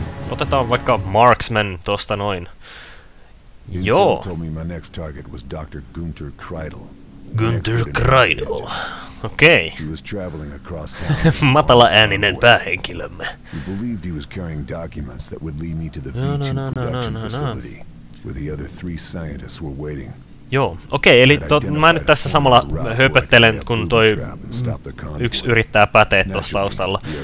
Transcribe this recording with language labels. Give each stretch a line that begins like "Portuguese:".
Finnish: Otetaan vaikka Marksman tosta noin. Joo.
English: Intel told me my next target was Dr. Günther Kreidel.
Finnish: Günther Kreidel. Okei.
English: He was traveling across town.
Finnish: Matala ääninen päähenkilömme.
English: He believed he was carrying documents that would lead me to the V2 production facility, where the other three scientists were waiting.
Finnish: Joo, okei, eli mä nyt tässä samalla höpöttelen, kun toi yksi yrittää päteä tuossa taustalla.